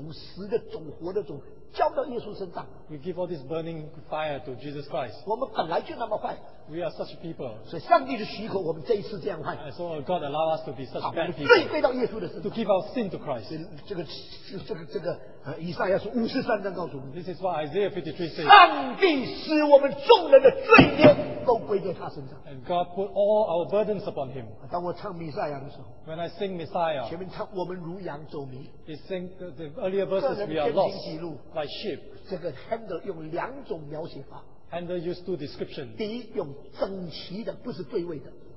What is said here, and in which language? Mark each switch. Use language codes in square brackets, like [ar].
[zh] 这个罪的种,死的种,活的种, 交到耶稣身上, [en] we give all this burning fire to Jesus Christ. [zh] 我们本来就那么坏, [en] we are such people. [zh] 所以上帝就许可我们这一次这样坏, [en] so God allow us to be such bad people. [zh] 罪归到耶稣的身上, [en] to give our sin to Christ. [zh] 以赛亚书53章告诉我们, [en] this is what Isaiah 53 says. [zh] 上帝使我们众人的罪孽都归在他身上, [en] and God put all our burdens upon him. [zh] 当我唱弥赛亚的时候, [en] when I sing Messiah, [zh] 前面唱我们如羊走迷, [en] it sing the earlier verses, we are lost like sheep. [zh] 这个Handel用两种描写法, [en] Handel used two descriptions. [zh] 第一用整齐的, 不是对位的,